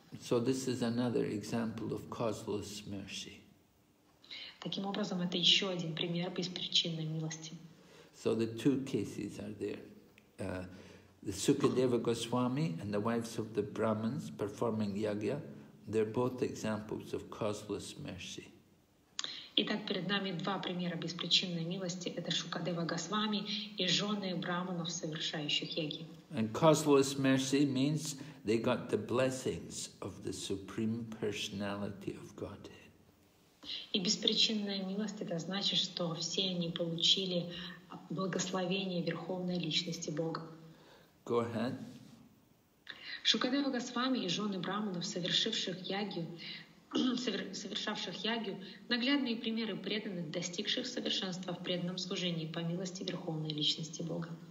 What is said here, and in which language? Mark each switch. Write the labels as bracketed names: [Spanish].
[English] So this is another example of causeless mercy. [Russian] Таким образом, это еще один пример беспричинной милости. [English] So the two cases are there. The Sukadeva Goswami and the wives of the Brahmins performing yajna. They're both examples of causeless mercy. [Russian] Итак, перед нами два примера беспричинной милости. Это Шукадева Госвами и жены брахманов, совершающих йоги. [English] And causeless mercy means they got the blessings of the Supreme Personality of Godhead. [Russian] И беспричинная милость — это значит, что все они получили благословение Верховной Личности Бога. [English] Go ahead. [Russian] Шукадева Госвами и жены брахманов, совершавших ягью, наглядные примеры преданных, достигших совершенства в преданном служении по милости Верховной Личности Бога.